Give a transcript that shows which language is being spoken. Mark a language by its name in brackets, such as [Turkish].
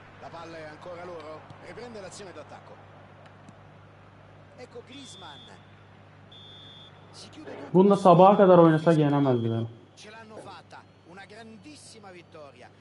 [Italian] Palla è ancora loro, riprende l'azione d'attacco. Ecco Griezmann. Si chiude. [Turkish] Bunda sabaha kadar oynasa yenemezdi. [Italian] Ce l'hanno fatta, una grandissima vittoria.